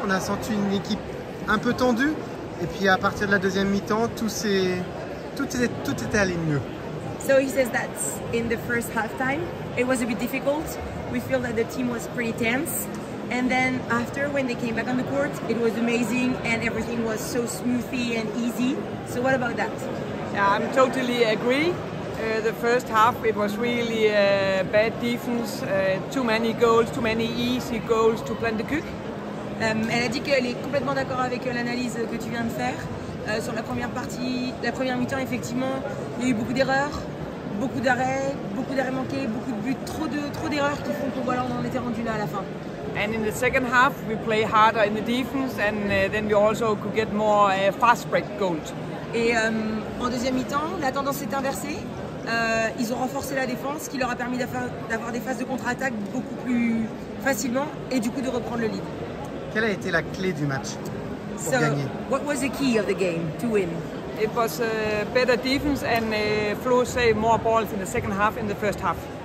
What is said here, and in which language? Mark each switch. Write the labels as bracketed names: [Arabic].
[French] On a senti une équipe un peu tendue. Et puis à partir de la deuxième mi-temps, tout était allé mieux. [English] So he says that in the first halftime, it was a bit difficult. We feel that the team was pretty tense. And then after, when they came back on the court, it was amazing and everything was so smoothy and easy. So what about that? Yeah, I totally agree. The first half, it was really bad defense. Too many goals, too many easy goals to plan the cook. [French] Elle a dit qu'elle est complètement d'accord avec l'analyse que tu viens de faire. Sur la première partie, la première mi-temps, effectivement, il y a eu beaucoup d'erreurs, beaucoup d'arrêts manqués, beaucoup de buts, trop d'erreurs qui font qu'on voilà, on en était rendu là à la fin. [English] And in the second half, we play harder in the defense, and then we also could get more fast break goals. [French] Et en deuxième mi-temps, la tendance s'est inversée. Ils ont renforcé la défense, ce qui leur a permis d'avoir des phases de contre-attaque beaucoup plus facilement et du coup de reprendre le lead. Quelle a été la clé du match pour gagner? [English] What was the key of the game to win? It was a better defense and Flo saved more balls in the second half than the first half.